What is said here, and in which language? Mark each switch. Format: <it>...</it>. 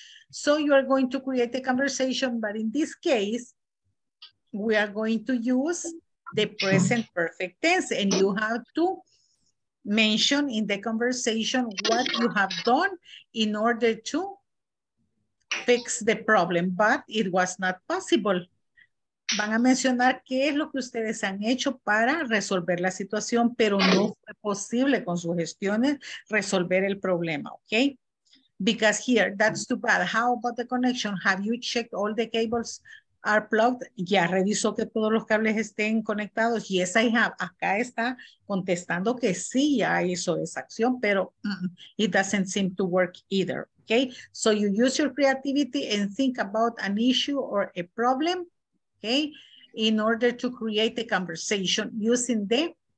<en>So you are going to create a conversation, but in this case, we are going to use the present perfect tense, and you have to mention in the conversation what you have done in order to fix the problem, but it was not possible.</en> <es>Van a mencionar qué es lo que ustedes han hecho para resolver la situación, pero no fue posible con sus gestiones resolver el problema, okay?</es> <en>Because here, that's too bad. How about the connection? Have you checked all the cables are plugged?</en> <es>¿Ya revisó que todos los cables estén conectados?</es> <en>Yes, I have.</en> <es>Acá está contestando que sí, ya hizo esa acción, pero</es> <en>it doesn't seem to work either,</en> <es>okay?</es> <en>So you use your creativity and think about an issue or a problem. Okay, in order to create a conversation using the</en>